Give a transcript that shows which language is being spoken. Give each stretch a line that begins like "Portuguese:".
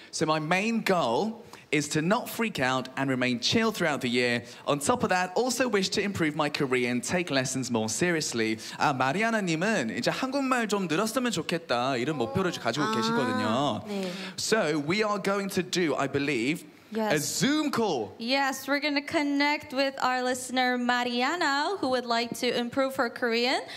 English: So my main goal is to not freak out and remain chill throughout the year. On top of that, also wish to improve my career and take lessons more seriously.
Korean: 아, 마리아나님은 이제 한국말 좀 늘었으면 좋겠다 이런 목표를 가지고 계시거든요.
English: 네. So we are going to do, I believe, yes, a Zoom call. Yes, we're going to connect with our listener, Mariana, who would like to improve her Korean.